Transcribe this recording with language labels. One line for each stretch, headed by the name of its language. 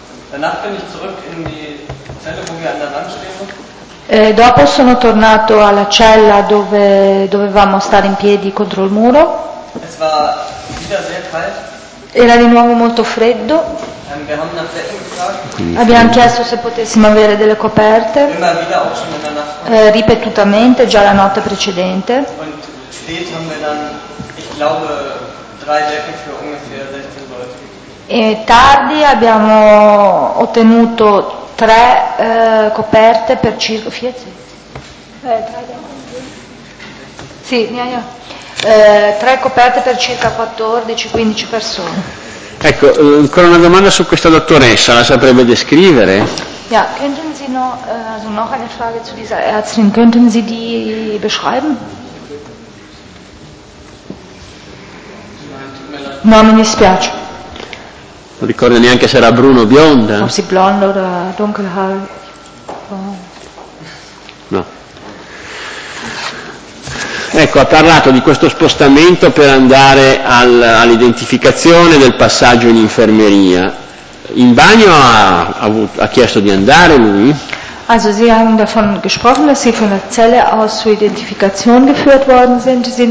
German: Danach bin ich zurück in die Zelle, wo wir an der Wand stehen.
Italian: Dopo sono tornato alla cella dove dovevamo stare in piedi contro il muro.
German: Es war wieder sehr kalt.
Italian: Era di nuovo molto freddo.
German: Wir haben nach Decken gefragt.
Italian: Abbiamo chiesto se potessimo avere delle coperte.
German: Immer wieder auch schon in der Nacht.
Italian: Ripetutamente già la notte precedente.
German: Und spät haben wir dann, ich glaube, drei Decken für ungefähr 16 Leute.
Italian: E tardi abbiamo ottenuto tre coperte per circa tre coperte per circa 14-15 persone. Ecco, ancora una domanda su questa dottoressa, la saprebbe descrivere?
German: Ja, könnten Sie noch also noch eine Frage zu dieser Ärztin, könnten Sie die beschreiben?
Italian: No, mi dispiace. Non ricordo neanche se era bruno o bionda. O si blondo da dunkelhaar. No. Ecco, ha parlato di questo spostamento per andare all'identificazione del passaggio in infermeria. In bagno ha chiesto di andare lui?
German: Also Sie haben davon gesprochen, dass Sie von der Zelle aus zur Identifikation geführt worden sind.